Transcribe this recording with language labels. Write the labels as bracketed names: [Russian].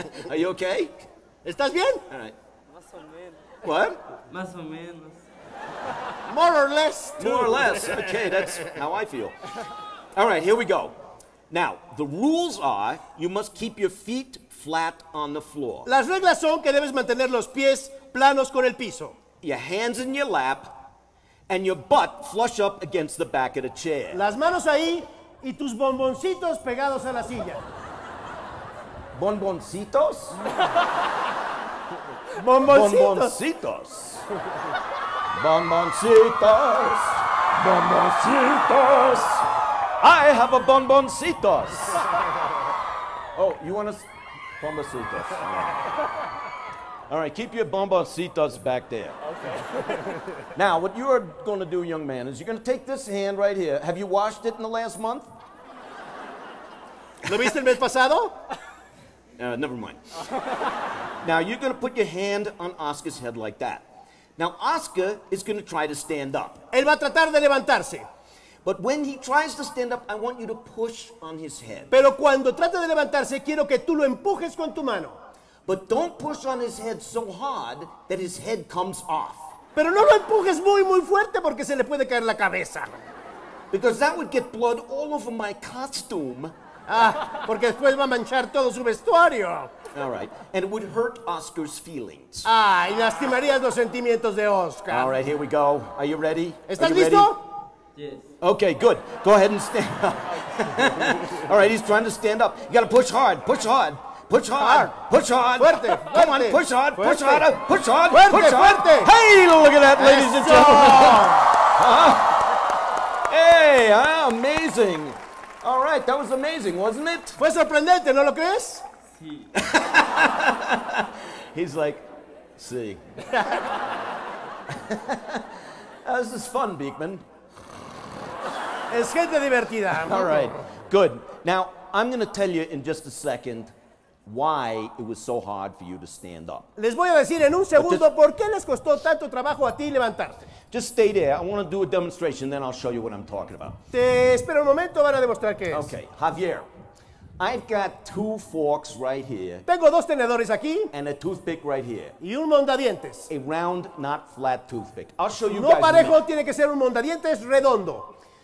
[English] Are you okay? [Spanish] ¿Estás bien? [English] All right. [Spanish] Más o menos. [English] What? [Spanish] Más o menos. [English] More or less. More or less. Okay, that's how I feel. All right, here we go. Now, the rules are you must keep your feet flat on the floor. [Spanish] Las reglas son que debes mantener los pies planos con el piso. [English] Your hands in your lap, and your butt flush up against the back of the chair. [Spanish] Las manos ahí, y tus bomboncitos pegados a la silla. ¿Bomboncitos? Bomboncitos. Bomboncitos. Bomboncitos. [English] Bomboncitos. I have a bomboncitos. Oh, you want a bomboncitos? All right, keep your bomboncitos back there. Okay. Now, what you are going to do, young man, is you're going to take this hand right here. Have you washed it in the last month? [Spanish] ¿Lo viste el mes pasado? [English] Never mind. Now, you're going to put your hand on Oscar's head like that. Now, Oscar is going to try to stand up. [Spanish] Él va a tratar de levantarse. [English] But when he tries to stand up, I want you to push on his head. [Spanish] Pero cuando trate de levantarse, quiero que tú lo empujes con tu mano. [English] But don't push on his head so hard that his head comes off. [Spanish] Pero no lo empujes muy, muy fuerte porque se le puede caer la cabeza. [English] Because that would get blood all over my costume. [Spanish] Ah, porque después va a manchar todo su vestuario. [English] All right, and it would hurt Oscar's feelings. [Spanish] Ah, y lastimarías los sentimientos de Oscar. [English] All right, here we go. Are you ready? [Spanish] ¿Estás listo? [English] Yes. Okay, good. Go ahead and stand up. All right, he's trying to stand up. You gotta push hard, push hard. Push hard, push hard. [Spanish] Fuerte, [English] come [Spanish] fuerte. [English] On, push hard, push hard, push hard, [Spanish] fuerte, [English] push hard. [Spanish] Fuerte. [English] Hey, look at that, ladies [Spanish] Eso. [English] And gentlemen. Hey, amazing. All right, that was amazing, wasn't it? [Spanish] Fue sorprendente, ¿no lo crees? Sí. [English] He's like, sí. This is fun, Beakman. [Spanish] Es gente divertida. [English] All right, good. Now, I'm going to tell you in just a second why it was so hard for you to stand up. [Spanish] Les voy a decir en un segundo por qué les costó tanto trabajo a ti levantarte. [English] Just stay there. I want to do a demonstration, then I'll show you what I'm talking about. [Spanish] Te espero un momento, van a demostrar qué es. [English] Okay, Javier, I've got two forks right here. [Spanish] Tengo dos tenedores aquí. [English] And a toothpick right here. [Spanish] Y un mondadientes. [English] A round, not flat toothpick. I'll show you [Spanish] no [English] guys. [Spanish] No parejo, tiene que ser un mondadientes redondo.